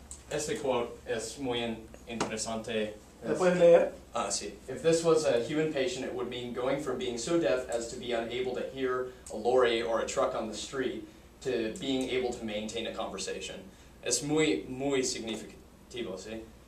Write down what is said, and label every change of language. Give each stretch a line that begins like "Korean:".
Spanish: Este quote es muy interesante. ¿Lo puedes leer? Sí.
English: If this was a human patient, it would mean going from being so deaf as to be unable to hear a lorry or a truck on the street to being able to maintain a conversation.
Spanish: Es muy muy significativo, sí.